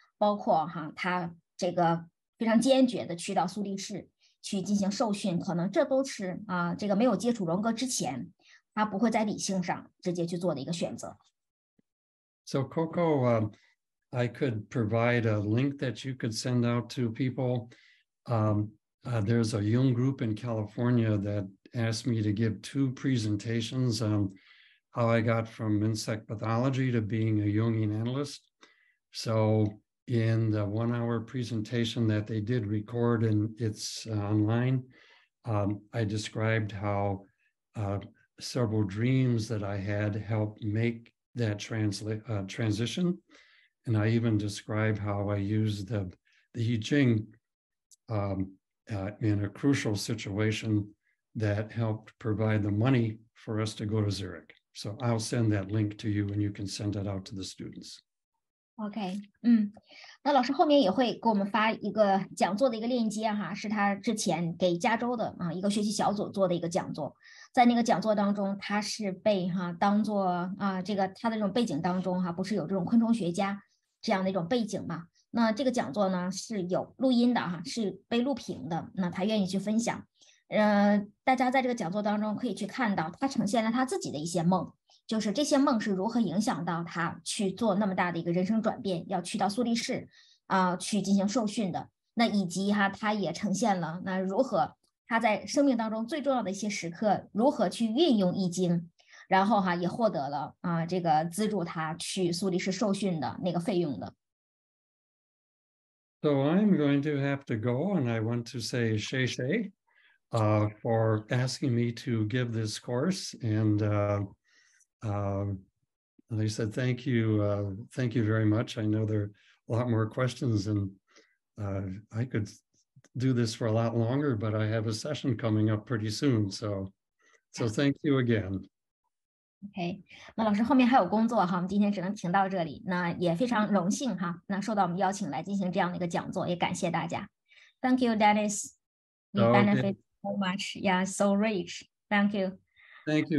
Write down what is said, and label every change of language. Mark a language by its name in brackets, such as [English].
[Chinese] 包括哈他这个非常坚决的去到苏黎世。去进行受训，可能这都是这个没有接触荣格之前他不会在理性上直接去做的一个选择。 [English] So Coco, I could provide a link that you could send out to people. There's a Jung group in California that asked me to give two presentations on how I got from insect pathology to being a Jungian analyst. SoIn the 1 hour presentation that they did record and it's online, I described how several dreams that I had helped make that transition. And I even described how I used the I Ching in a crucial situation that helped provide the money for us to go to Zurich. So I'll send that link to you and you can send it out to the students. OK, 那老师后面也会给我们发一个讲座的一个链接哈，是他之前给加州的一个学习小组做的一个讲座。在那个讲座当中他是被当做这个他的这种背景当中不是有这种昆虫学家这样的一种背景嘛。那这个讲座呢是有录音的哈，是被录屏的，那他愿意去分享。大家在这个讲座当中可以去看到他呈现了他自己的一些梦。就是这些梦是如何影响到他去做那么大的一个人生转变，要去到苏黎世去进行受训的。那以及他也呈现了那如何他在生命当中最重要的一些时刻如何去运用易经，然后也获得了这个资助他去苏黎世受训的那个费用的。 So I'm going to have to go and I want to say [Chinese] xie xie, [English] for asking me to give this course and, Lisa, thank you. Thank you very much. I know there are a lot more questions and I could do this for a lot longer, but I have a session coming up pretty soon. So thank you again. Okay. [Chinese] 那老师后面还有工作哈，我们今天只能停到这里。那也非常荣幸哈，那受到我们邀请来进行这样的一个讲座，也感谢大家。 [English] Thank you, Dennis. You benefit so much. Yeah, so rich. Thank you. Thank you.